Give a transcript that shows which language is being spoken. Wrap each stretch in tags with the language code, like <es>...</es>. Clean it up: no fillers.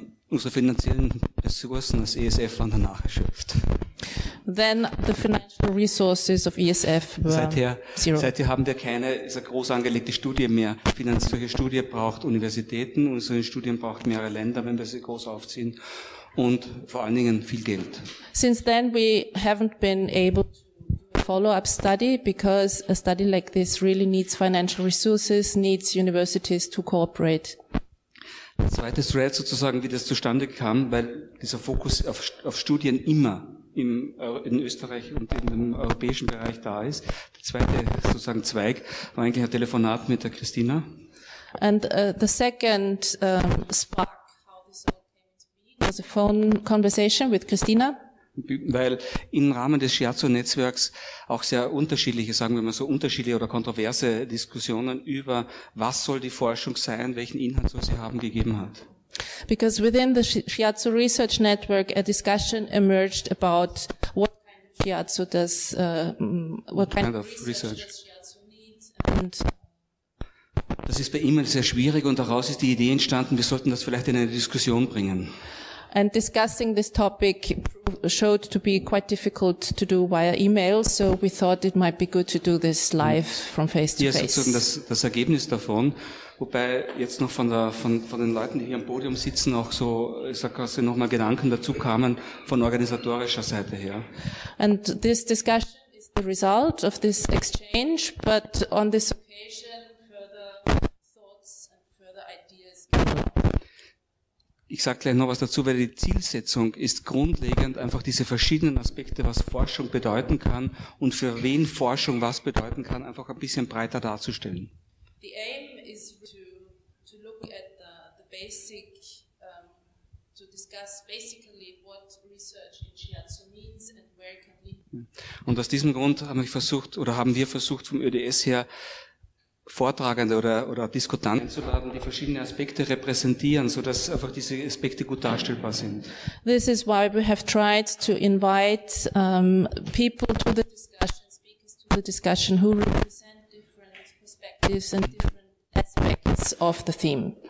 <de>Unsere finanziellen Ressourcen als ESF waren danach erschöpft.</de> <en>Then the financial resources of ESF were zero.</en> <de>Seither haben wir keine so groß angelegte Studie mehr. Solche Studie braucht Universitäten und solche Studien braucht mehrere Länder, wenn wir sie groß aufziehen und vor allen Dingen viel Geld.</de> <en>Since then we haven't been able to follow-up study, because a study like this really needs financial resources, needs universities to cooperate.</en> <de>Der zweite Thread sozusagen, wie das zustande kam, weil dieser Fokus auf Studien immer in Österreich und in dem europäischen Bereich da ist. Der zweite sozusagen Zweig war eigentlich ein Telefonat mit der Christina.</de> <en>And the second spark, how this all came to be, was a phone conversation with Christina.</en> <de>Weil im Rahmen des Scherzo-Netzwerks auch sehr unterschiedliche, sagen wir mal so, unterschiedliche oder kontroverse Diskussionen über was soll die Forschung sein, welchen Inhalt soll sie haben, gegeben hat.</de> <en>Because within the Scherzo Research Network a discussion emerged about what kind of Scherzo does, what kind of research</en> <de>Das ist bei E-Mail sehr schwierig und daraus ist die Idee entstanden, wir sollten das vielleicht in eine Diskussion bringen.</de> <en>And discussing this topic showed to be quite difficult to do via email, so we thought it might be good to do this live from face to face.</en> <de>Hier ist sozusagen das Ergebnis davon, wobei jetzt noch von den Leuten, die hier am Podium sitzen, auch so, ich sag quasi, noch mal Gedanken dazu kamen von organisatorischer Seite her.</de> <en>And this discussion is the result of this exchange, but on this occasion further thoughts and further ideas came up.</en> <de>Ich sage gleich noch was dazu, weil die Zielsetzung ist grundlegend, einfach diese verschiedenen Aspekte, was Forschung bedeuten kann und für wen Forschung was bedeuten kann, einfach ein bisschen breiter darzustellen.</de> <en>The aim is to look at the basic, to discuss basically what research in Scherzo means and where it can lead.</en> <de>Und aus diesem Grund haben wir versucht vom ÖDS her, Vortragende oder Diskutanten einzuladen, die verschiedene Aspekte repräsentieren, so dass einfach diese Aspekte gut darstellbar sind.</de> <en>This is why we have tried to invite people to the discussion, speakers to the discussion, who represent different perspectives and different aspects of the theme.</en>